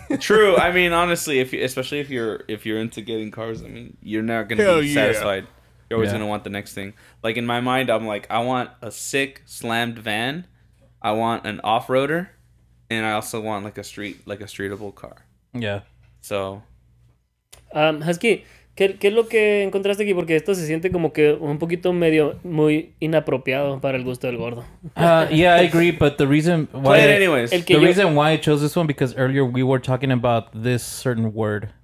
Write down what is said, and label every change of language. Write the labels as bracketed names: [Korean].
[English] True. I mean, honestly, especially if you're into getting cars, I mean, you're not going to be satisfied. Yeah. You're always going to want the next thing. Like, in my mind, I'm like, I want a sick slammed van. I want an off-roader. And I also want like a streetable car. Yeah. So. [Spanish] Husky. ¿Qué es lo que encontraste aquí? Porque esto se siente como que un poquito medio muy inapropiado para el gusto del gordo. [English] Yeah, I agree, but the reason why the reason why I chose this one because earlier we were talking about this certain word.